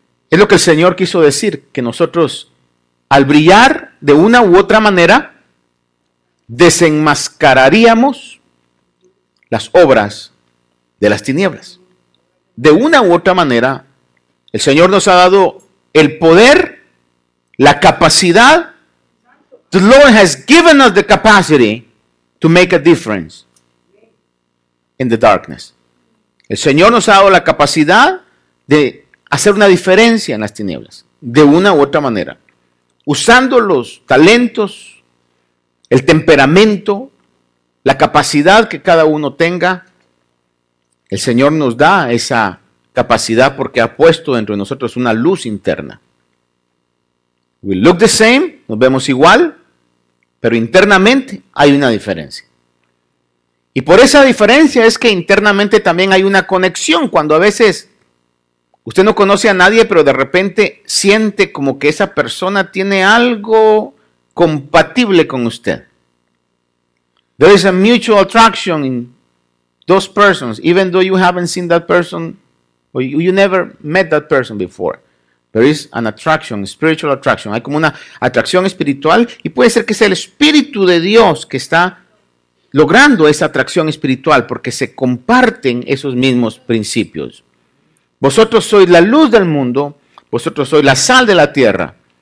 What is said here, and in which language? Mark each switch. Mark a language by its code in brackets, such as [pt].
[es] Es lo que el Señor quiso decir, que nosotros, al brillar de una u otra manera, desenmascararíamos las obras de las tinieblas. De una u otra manera, el Señor nos ha dado el poder, la capacidad. [en] The Lord has given us the capacity to make a difference in the darkness. [es] El Señor nos ha dado la capacidad de hacer una diferencia en las tinieblas, de una u otra manera, usando los talentos, el temperamento, la capacidad que cada uno tenga. El Señor nos da esa capacidad porque ha puesto dentro de nosotros una luz interna. [en] We look the same, [es] nos vemos igual, pero internamente hay una diferencia. Y por esa diferencia es que internamente también hay una conexión, cuando a veces usted no conoce a nadie, pero de repente siente como que esa persona tiene algo compatible con usted. [en] There is a mutual attraction in those persons, even though you haven't seen that person, or you never met that person before. There is an attraction, spiritual attraction. [es] Hay como una atracción espiritual, y puede ser que sea el Espíritu de Dios que está logrando esa atracción espiritual, porque se comparten esos mismos principios. Vosotros sois la luz del mundo, vosotros sois la sal de la tierra.